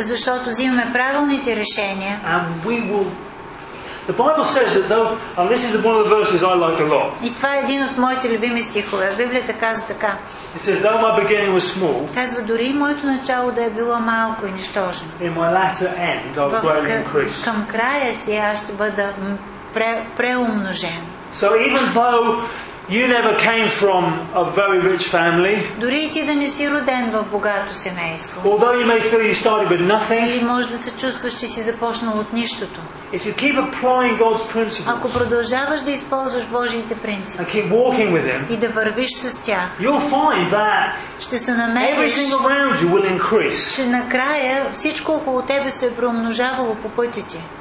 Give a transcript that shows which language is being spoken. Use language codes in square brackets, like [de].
[bg] защото взимаме правилните решения. [en] And we will... The Bible says that though, and this is one of the verses I like a lot. [bg] И това е един от моите любими стихове. Библията казва така. [en] It says, though my beginning was small. [bg] Казва, дори моето начало да е било малко и нищожно. [en] In my latter end, I've greatly increased. [bg] Към края си аз ще бъда преумножен. [en] So even though you never came from a very rich family. [bg] Дори ти да не си роден в богато семейство. [en] Although you may feel you started with nothing. [bg] Или може да се чувстваш, че си започнал от нищото. [en] If you keep applying God's principles. [bg] Ако продължаваш да използваш Божиите принципи. [en] And keep walking with them. [bg] И да вървиш с тях. [en] You'll find that. [bg] Ще се намериш. [en] Everything around you will increase. [bg] Ще накрая всичко около тебе се е преумножавало по пътя ти.